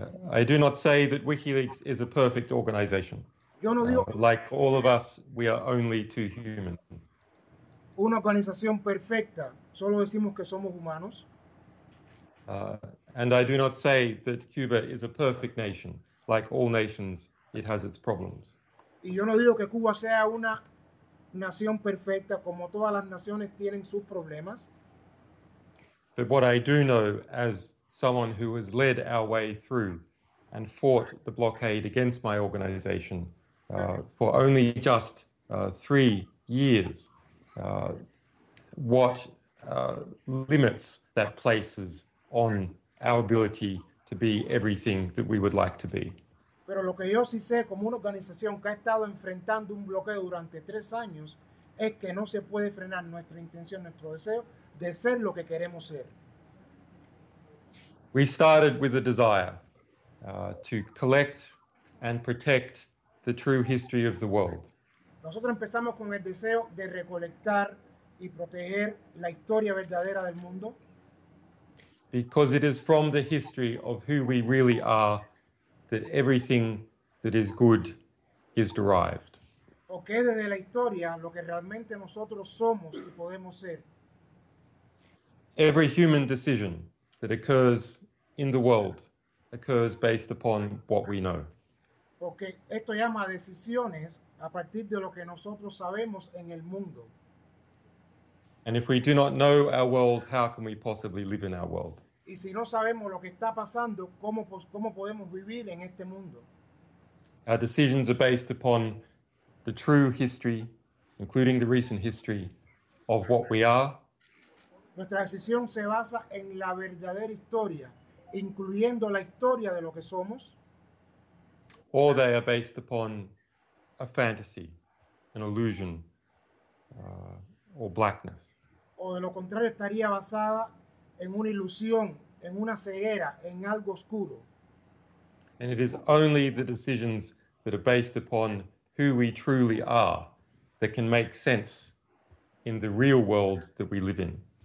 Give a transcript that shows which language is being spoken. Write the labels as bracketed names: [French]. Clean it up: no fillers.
[English] I do not say that WikiLeaks is a perfect organization. [Spanish] Yo no digo [English] like all of us, we are only too human. [Spanish] Una organización perfecta, solo decimos que somos humanos. [English] And I do not say that Cuba is a perfect nation, like all nations. It has its problems. [Spanish] Y yo no digo que Cuba sea una nación perfecta, como todas las naciones tienen sus problemas. [English] But what I do know, as someone who has led our way through and fought the blockade against my organization for only just 3 years, what limits that places on our ability to be everything that we would like to be. [Spanish] Pero lo que yo sí sé como una organización que ha estado enfrentando un bloqueo durante 3 años es que no se puede frenar nuestra intención, nuestro deseo de ser lo que queremos ser. [English] We started with a desire to collect and protect the true history of the world. [Spanish] Nosotros empezamos con el deseo de recolectar y proteger la historia verdadera del mundo. [English] Because it is from the history of who we really are that everything that is good is derived. [Spanish] Porque desde la historia, lo que realmente nosotros somos y podemos ser. [English] Every human decision that occurs in the world occurs based upon what we know. [Spanish] Porque esto llama decisiones a partir de lo que nosotros sabemos en el mundo. [English] And if we do not know our world, how can we possibly live in our world? [Spanish] Y si no sabemos lo que está pasando, ¿cómo podemos vivir en este mundo? [English] Our decisions are based upon the true history, including the recent history, of what we are. [Spanish] Nuestra decisión se basa en la verdadera historia, incluyendo la historia de lo que somos. [English] Or they are based upon a fantasy, an illusion, or blackness. [Spanish] O de lo contrario estaría basada en una ilusión, en una ceguera, en algo oscuro. [English] And it is only the decisions that are based upon who we truly are that can make sense in the real world that we live in.